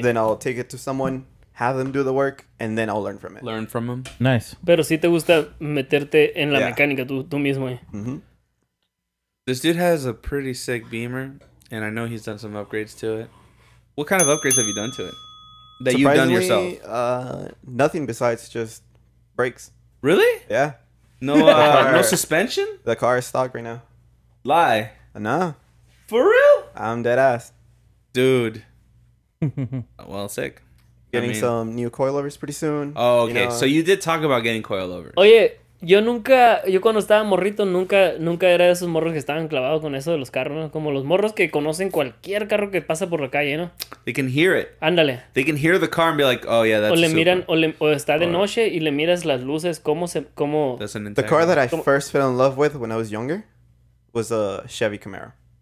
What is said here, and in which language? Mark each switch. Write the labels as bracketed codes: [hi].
[en] Then I'll take it to someone, have them do the work, and then I'll learn from it. Learn from them. Nice. [es] Pero sí te gusta meterte en la mecánica tú mismo. [en] This dude has a pretty sick Beamer, and I know he's done some upgrades to it. What kind of upgrades have you done to it that you've done yourself? Nothing besides just brakes. Really? Yeah. No suspension? The car is stock right now. Lie. No. For real? I'm dead ass. Dude. Well, sick. Getting some new coilovers pretty soon. Oh, okay. You know? So you did talk about getting coilovers. [es] Oye, yo cuando estaba morrito, nunca era de esos morros que estaban clavados con eso de los carros, ¿no? Como los morros que conocen cualquier carro que pasa por la calle, ¿no? [en] They can hear it. [es] Ándale. [en] They can hear the car and be like, oh, yeah, that's [es] o le super. Miran, o está de noche y le miras las luces, cómo... [en] The car that I first fell in love with when I was younger was a Chevy Camaro.